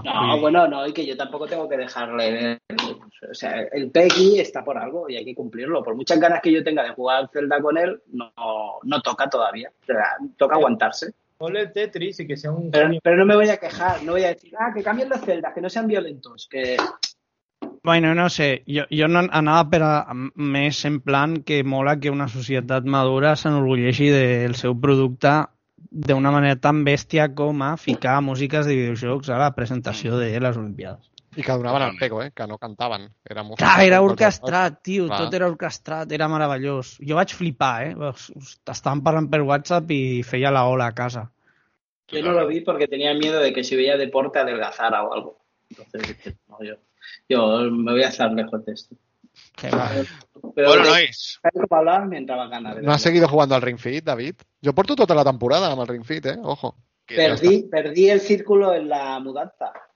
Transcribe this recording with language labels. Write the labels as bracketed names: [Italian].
[Spanish] No, y que yo tampoco tengo que dejarle... O sea, el PEGI está por algo y hay que cumplirlo. Por muchas ganas que yo tenga de jugar Zelda con él, no toca todavía. O sea, toca aguantarse. Ponle el Tetris y que sea un... Pero no me voy a quejar, no voy a decir que cambien las celdas, que no sean violentos, que... [Catalan] Bueno, no sé, jo no anava per a més en plan que mola que una societat madura s'enorgulleixi del seu producte d'una manera tan bèstia com a ficar músiques de videojocs a la presentació de les Olimpiades. I que donaven el pego, que no cantaven. Era música. Clar, era orquestrat, tio. Va. Tot era orquestrat, era meravellós. Jo vaig flipar, Estàvem parlant per WhatsApp i feia la ola a casa. [Spanish] Yo no lo vi porque tenía miedo de que si veía deporte adelgazara o algo. Entonces, dije, no, yo me voy a estar lejos de esto. Pero bueno, nois. No has seguido jugando al Ring Fit, David. Yo [Catalan] porto tota la temporada amb el Ring Fit, ojo. [Spanish] Perdí el círculo en la mudanza.